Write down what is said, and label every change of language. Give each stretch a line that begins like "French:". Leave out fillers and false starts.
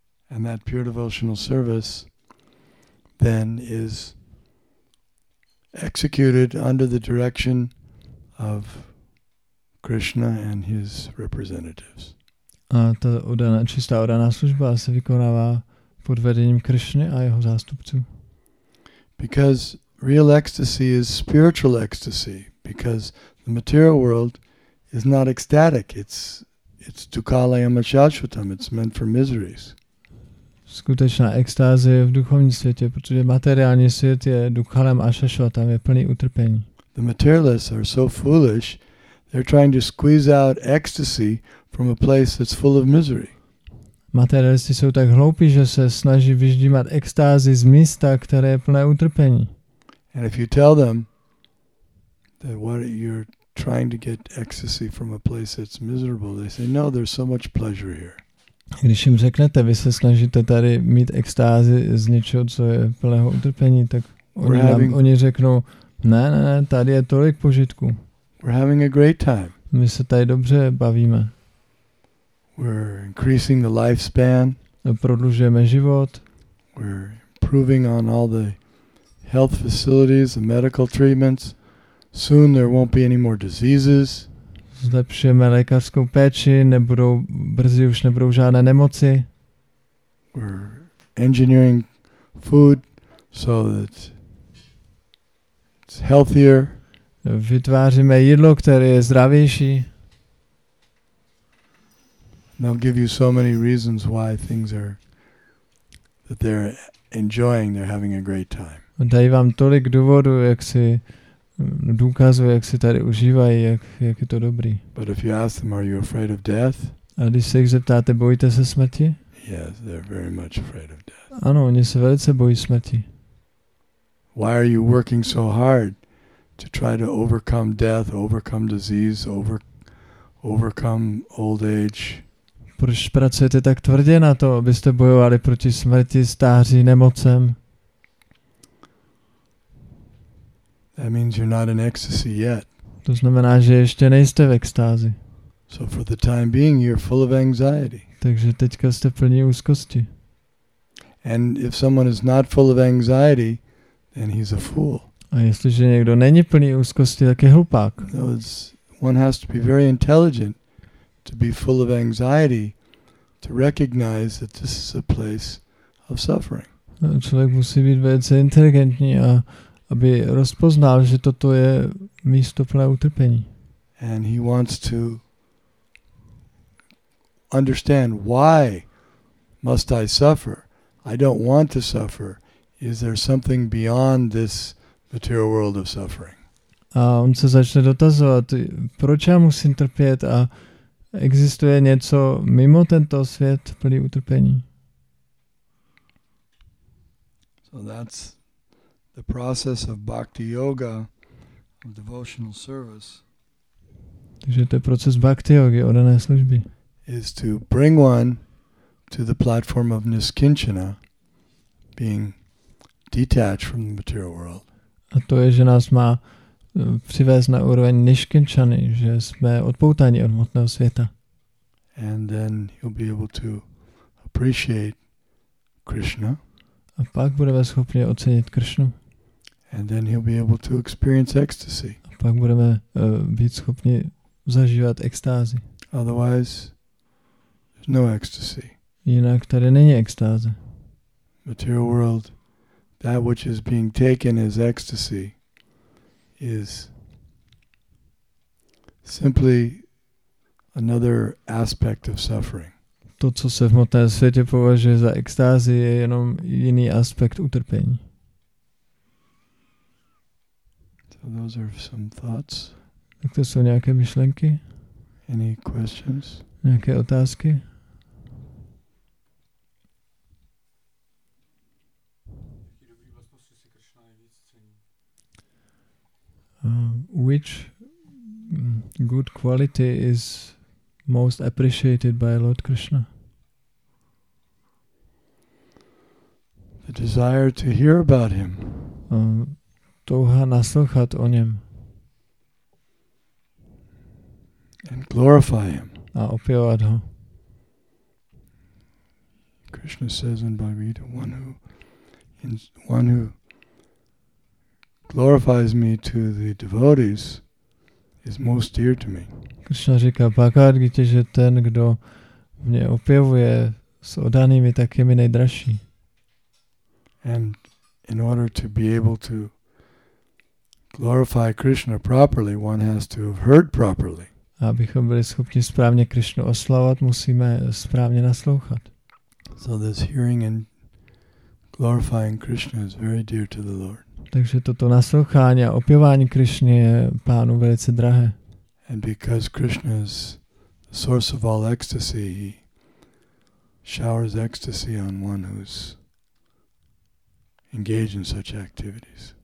English: And that pure devotional service then is executed under the direction of Krishna and his representatives.
Czech: A ta oddaná, čistá oddaná služba se vykonává pod vedením Krishny a jeho zástupců.
English: Because real ecstasy is spiritual ecstasy, because the material world is not ecstatic. It's
Sanskrit: dukalayam shashvatam.
English: It's meant for miseries.
Czech: Skutečná extáze je v duchovním světě, protože materiální svět je dukalem a shashvatam, je plný utrpení.
English: The materialists are so foolish. They're trying to squeeze out ecstasy from a place that's full of misery.
Czech: Materialisti jsou tak hloupí, že se snaží vyždímat extázi z místa, které je plné utrpení.
English: And if you tell them that what you're trying to get ecstasy from a place that's miserable, they say, no, there's so much pleasure here.
Czech: Když jim řeknete, vy se snažíte tady mít extázi z něčeho, co je plného utrpení, tak oni řeknou, ne, tady je tolik požitku.
English: We're having a great time.
Czech: My se tady dobře bavíme.
English: We're increasing the lifespan.
Czech: Prodlužujeme život.
English: We're improving on all the health facilities and medical treatments. Soon there won't be any more diseases.
Czech: Zlepšujeme lékařskou péči, brzy už nebudou žádné nemoci.
English: We're engineering food so that it's healthier.
Czech: Vytváříme jídlo, které je zdravější.
English: They'll give you so many reasons why things are that they're enjoying, they're having a great time.
Czech: Dají vám tolik důvodů, jak si důkazují, jak si tady užívají, jak je to dobrý.
English: But if you ask them, are you afraid of death?
Czech: A když se jich zeptáte, bojíte se smrti?
English: Yes, they're very much afraid of death.
Czech: Ano, oni se velice bojí smrti.
English: Why are you working so hard to try to overcome death, overcome disease, overcome old age?
Czech: Proč pracujete tak tvrdě na to, abyste bojovali proti smrti, stáří, nemocem?
English: That means you're not in ecstasy yet.
Czech: To znamená, že ještě nejste v extázi.
English: So for the time being, you're full of anxiety.
Czech: Takže teďka jste plní úzkosti.
English: And if someone is not full of anxiety, then he's a fool.
Czech: A jestliže někdo není plný úzkosti, tak je hlupák.
English: One has to be very intelligent to be full of anxiety, to recognize that this is a place of suffering.
Czech: Člověk musí být velice inteligentní, a aby rozpoznal, že toto je místo plné utrpení.
English: And he wants to understand, why must I suffer? I don't want to suffer. Is there something beyond this material world of suffering?
Czech: A on se začne dotazovat, proč já musím trpět a existuje něco mimo tento svět plný utrpení.
English: So that's the process of bhakti yoga, of devotional service.
Czech: Takže to je proces bhakti yogi, oddané služby.
English: Is to bring one to the platform of niskinchana, being detached from the material world.
Czech: A to je, že nás má přivést na úroveň niskinchany, že jsme odpoutáni od hmotného světa.
English: And then you'll be able to appreciate Krishna.
Czech: A pak budeme schopni ocenit Krishnu.
English: And then he'll be able to experience ecstasy.
Czech: A pak budeme být schopni zažívat extázi.
English: Otherwise, there's no ecstasy.
Czech: Jinak tady není extáze.
English: Material world, that which is being taken as ecstasy, is simply another aspect of suffering.
Czech: To, co se v hmotném světě považuje za extázi, je jenom jiný aspekt utrpení.
English: So those are some thoughts.
Czech: Tak to jsou nějaké myšlenky?
English: Any questions?
Czech: Nějaké otázky?
English: Which good quality is most appreciated by Lord Krishna? The desire to hear about him.
Czech: Touha naslouchat o něm.
English: And glorify him.
Czech: A opěvovat ho.
English: Krishna says in Bhagavad Gita, one who glorifies me to the devotees is most dear to me.
Czech: Krishna říká Bhagavad Gita, že ten, kdo mě opěvuje s oddanými, tak je mi nejdražší.
English: And in order to be able to glorify Krishna properly, one has to have heard properly.
Czech: Abychom byli schopni správně Krishnu oslavovat, musíme správně naslouchat.
English: So this hearing and glorifying Krishna is very dear to the Lord.
Czech: Takže toto naslouchání a opěvání Krišny je pánu velice drahé.
English: And because Krishna is the source of all ecstasy, he showers ecstasy on one who's engaged in such activities.